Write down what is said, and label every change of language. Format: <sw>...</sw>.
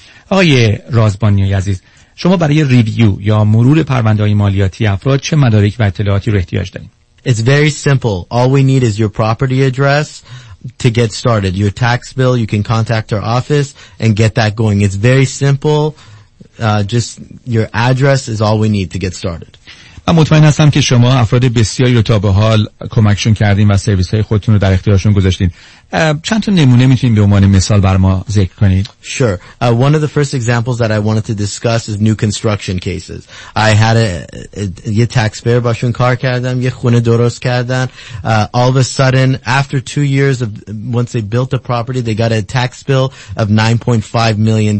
<fa>آقای رازبانیا عزیز، شما برای ریویو یا مرور پرونده‌های مالیاتی افراد چه مدارک و اطلاعاتی رو احتیاج دارید؟</fa> <en>It's very simple. All we need is your property address to get started. Your tax bill, you can contact our office and get that going. It's very simple. Just your address is all we need to get started.</en> <fa>من مطمئن هستم که شما افراد بسیاری رو تا به حال کمکشون کردین و سرویس های خودتون رو در اختیارشون گذاشتین. چند تا نمونه میتونین به عنوان مثال بر ما ذکر کنین؟</fa> <en>Sure. One of the first examples that I wanted to discuss is new construction cases. I had</en> <fa>یه taxpayer باشون کار کردم، یه خونه درست کردن.</fa> <en>All of a sudden, after 2 years of once they built the property, they got a tax bill of $9.5 million.</en>